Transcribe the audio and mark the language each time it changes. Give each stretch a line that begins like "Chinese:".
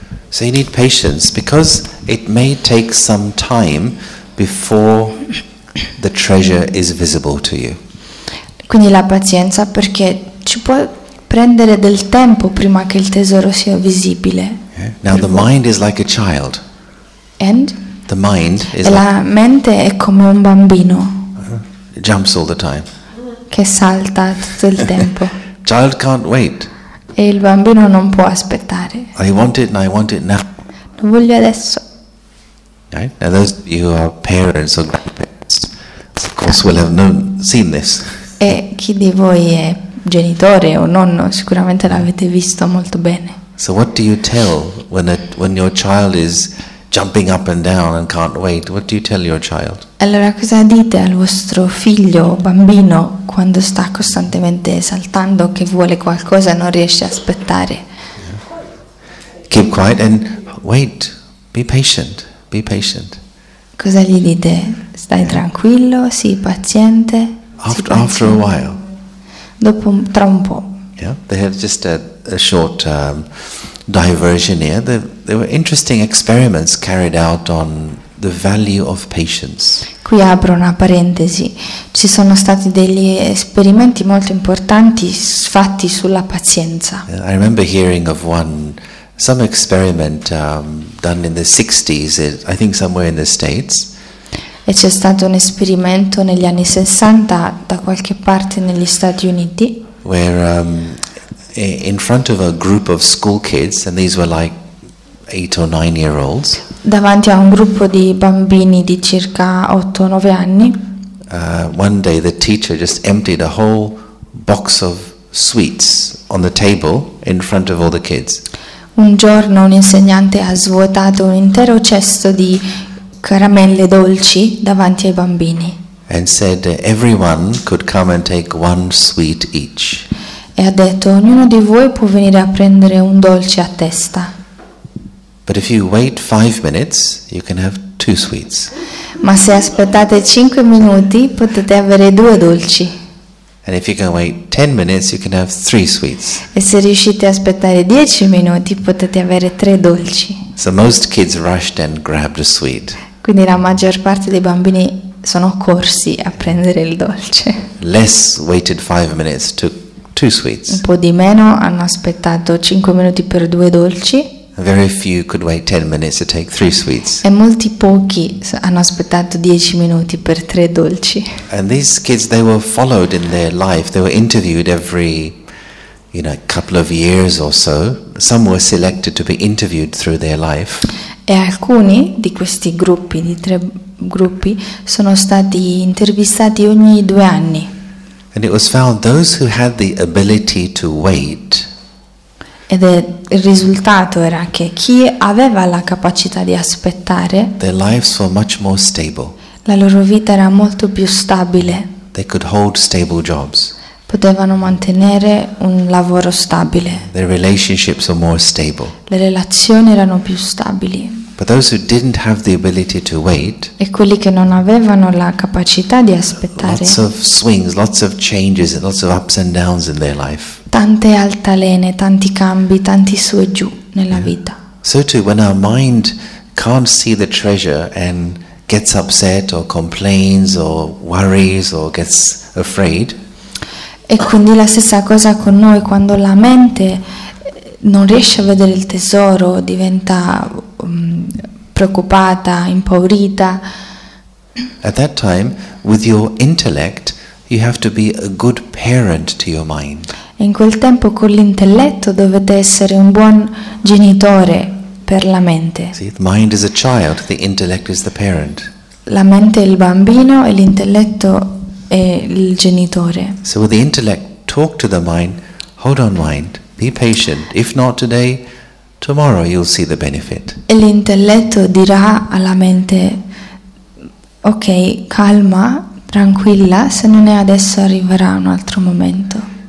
English: So you need patience because it may take some time before the treasure is visible to you.
Italian: Quindi la pazienza, perché ci può prendere del tempo prima che il tesoro sia visibile.
English: Now the mind is like a child. And? The mind is
Italian: e la mente è come un bambino.
English: It jumps all the time.
Italian: Che salta tutto il tempo.
English: Child can't wait.
Italian: E il bambino non può aspettare.
English: I want it and I want it now.
Italian: Lo voglio adesso.
English: Right? Now those of you who are parents or grandparents, of course will have known, seen this.
Italian: E chi di voi è genitore o nonno sicuramente l'avete visto molto bene.
English: So what do you tell when your child is jumping up and down and can't wait? What do you tell your child?
Italian: Allora cosa dite al vostro figlio bambino quando sta costantemente saltando, che vuole qualcosa e non riesce a aspettare?
English: Yeah. Keep quiet and wait. Be patient. Be patient.
Italian: Cosa gli dite? Stai tranquillo, sii paziente.
English: After a while.
Italian: Dopo tra un po'.
English: Yeah, they have just a short diversion here. There were interesting experiments carried out on the value of patience.
Italian: Qui apro una parentesi. Ci sono stati degli esperimenti molto importanti fatti sulla pazienza.
English: I remember hearing of one, some experiment done in the 60s, I think somewhere in the States.
Italian: E c'è stato un esperimento negli anni 60 da qualche parte negli Stati Uniti.
English: Where in front of a group of school kids, and these were like 8 or 9 year olds.
Italian: Davanti a un gruppo di bambini di circa 8-9 anni.
English: One day the teacher just emptied a whole box of sweets on the table in front of all the kids.
Italian: Un giorno un insegnante ha svuotato un intero cesto di caramelle dolci davanti ai bambini.
English: And said everyone could come and take one sweet each.
Italian: E ha detto ognuno di voi può venire a prendere un dolce a testa.
English: But if you wait 5 minutes, you can have 2 sweets.
Italian: Ma se aspettate 5 minuti, potete avere 2 dolci.
English: And if you can wait 10 minutes, you can have 3 sweets.
Italian: E se riuscite a aspettare 10 minuti, potete avere 3 dolci.
English: So most kids rushed and grabbed a sweet.
Italian: Quindi la maggior parte dei bambini sono corsi a prendere il dolce.
English: Less waited 5 minutes, took 2 sweets.
Italian: Un po' di meno hanno aspettato 5 minuti per 2 dolci.
English: Very few could wait 10 minutes to take 3 sweets.
Italian: E molti pochi hanno aspettato 10 minuti per 3 dolci.
English: And these kids, they were followed in their life. They were interviewed every, you know, couple of years or so. Some were selected to be interviewed through their life.
Italian: E alcuni di questi gruppi, di 3 gruppi, sono stati intervistati ogni 2 anni.
English: And it was found those who had the ability to wait.
Italian: Ed è, il risultato era che chi aveva la capacità di aspettare,
English: their lives were much more stable.
Italian: La loro vita era molto più stabile.
English: They could hold stable jobs.
Italian: Potevano mantenere un lavoro stabile.
English: Their relationships were more stable.
Italian: Le relazioni erano più stabili.
English: But those who didn't have the ability to wait,
Italian: e quelli che non avevano la capacità di aspettare,
English: lots of swings, lots of changes, and lots of ups and downs in their life.
Italian: Tante altalene, tanti cambi, tanti su e giù nella vita.
English: So too, when our mind can't see the treasure and gets upset or complains or worries or gets afraid.
Italian: E quindi la stessa cosa con noi, quando la mente non riesce a vedere il tesoro, diventa preoccupata, impaurita.
English: At that time, with your intellect, you have to be a good parent to your mind.
Italian: In quel tempo con l'intelletto dovete essere un buon genitore per la mente.
English: See, the mind is a child, the intellect is the parent.
Italian: La mente è il bambino e l'intelletto è il genitore.
English: So with the intellect, talk to the mind, hold on mind, be patient. If not today, tomorrow you'll see the benefit.
Italian: E l'intelletto dirà alla mente, ok, calma, tranquilla, se non è adesso arriverà un altro momento.